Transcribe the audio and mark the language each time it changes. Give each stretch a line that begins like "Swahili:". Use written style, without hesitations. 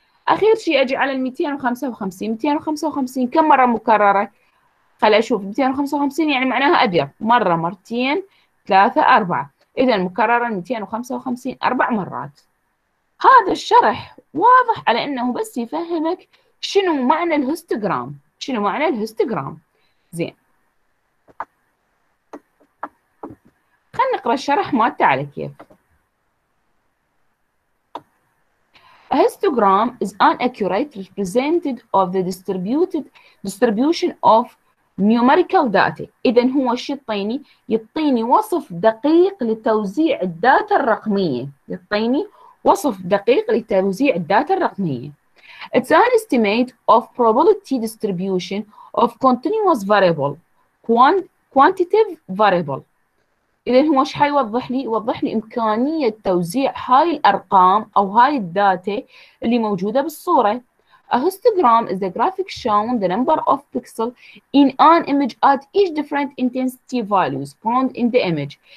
Arabic: اخير شيء اجي على ال 255، 255 كم مره مكرره؟ خل اشوف 255 يعني معناها ابيض، مره مرتين ثلاثه اربعه، اذا مكرره 255 4 مرات. هذا الشرح واضح على انه بس يفهمك شنو معنى الهستوغرام، شنو معنى الهستوغرام. زين، خلينا نقرا الشرح مالته على كيف.
English: A histogram is an accurate represented of the distribution of numerical data.
Arabic: إذا هو شو يعطيني؟ يعطيني وصف دقيق لتوزيع الداتا الرقمية. يعطيني وصف دقيق لتوزيع الداتا الرقمية.
English: It's an estimate of probability distribution of continuous variable, quantitative variable.
Arabic: إذا هو ايش حيوضح لي؟ يوضح لي إمكانية توزيع هاي الأرقام أو هاي الداتا اللي موجودة بالصورة.
English: A histogram is a graphic showing the number of pixels in an image at each different intensity values found in the image.